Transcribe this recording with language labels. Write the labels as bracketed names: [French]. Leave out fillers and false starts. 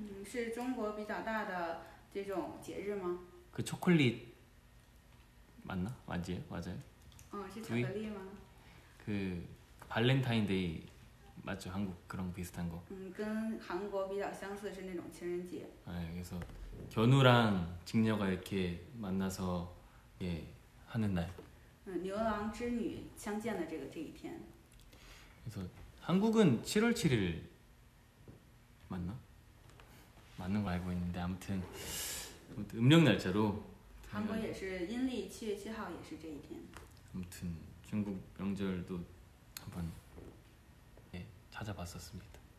[Chinese] 是中国比较大的这种节日吗? [Korean] 그 초콜릿 맞나? 맞지요? 맞아요. [Chinese] 是巧克力吗? [Korean] 그 발렌타인데이 맞죠? 한국 그런 비슷한 거. [Chinese] 跟韩国比较相似是那种情人节. [Korean] 아, 그래서 견우랑 직녀가 이렇게 만나서 예 하는 날. [Chinese] 牛郎织女相见的这个这一天. [Korean] 그래서 한국은 7월 7일 맞나? 맞는 거 알고 있는데 아무튼 음력 날짜로. [Chinese] 한국也是阴历7月7号也是这一天. [Korean] 아무튼 중국 명절도 한번 예 찾아봤었습니다.